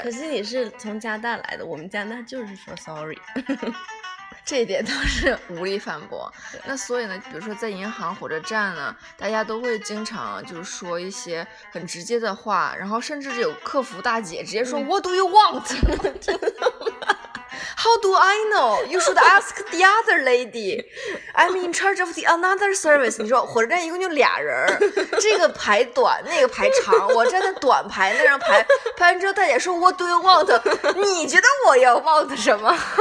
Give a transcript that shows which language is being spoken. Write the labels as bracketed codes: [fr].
[zh] 可是你是从加拿大来的，我们加拿大就是说 sorry，这一点倒是无力反驳。那所以呢，比如说在银行、火车站呢，大家都会经常就是说一些很直接的话，然后甚至有客服大姐直接说 [en] What do you want？ How do I know? You should ask the other lady. I'm in charge of the another service. [zh] 你说火车站一共就俩人，这个排短，那个排长，我站在短排那张排，排完之后大姐说 [en] What do you want? [zh] 你觉得我要 want 什么？